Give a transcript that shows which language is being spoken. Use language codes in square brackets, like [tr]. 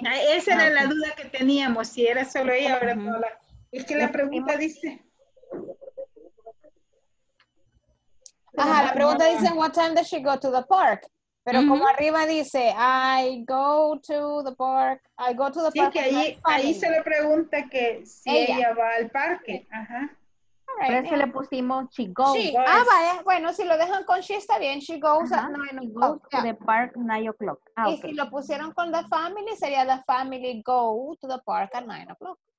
[es] Esa era la duda que teníamos, si era solo ella o era toda. Es que la pregunta dice. Ajá, la pregunta dice, [en] what time does she go to the park? [es] Pero como arriba dice, [en] I go to the park. [es] Sí, que ahí se le pregunta que si ella va al parque. Ajá. [en] Right. [es] Pero se le pusimos [en] she goes. [es] Vaya. Bueno, si lo dejan con she está bien. [en] She goes at 9 o'clock. To the park 9 o'clock. Ah, [es] y si lo pusieron con [en] the family, [es] sería [en] the family go to the park at 9 o'clock.